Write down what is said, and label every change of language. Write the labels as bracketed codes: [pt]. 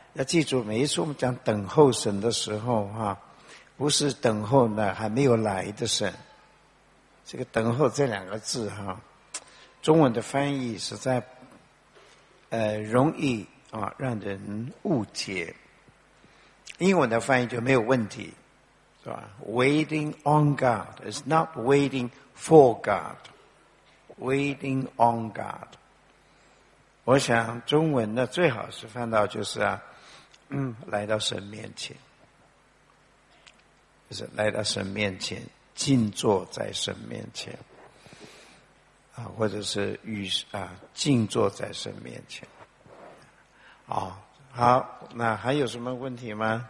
[zh] 要记住，每一次我们讲等候神的时候，哈，不是等候呢还没有来的神。这个等候这两个字，哈，中文的翻译实在容易啊让人误解。英文的翻译就没有问题，是吧 [en] ？Waiting on God is not waiting for God. Waiting on God. [zh] 我想中文呢最好是翻到就是啊。来到神面前，就是来到神面前，静坐在神面前，啊，或者是与啊静坐在神面前，啊，好，那还有什么问题吗？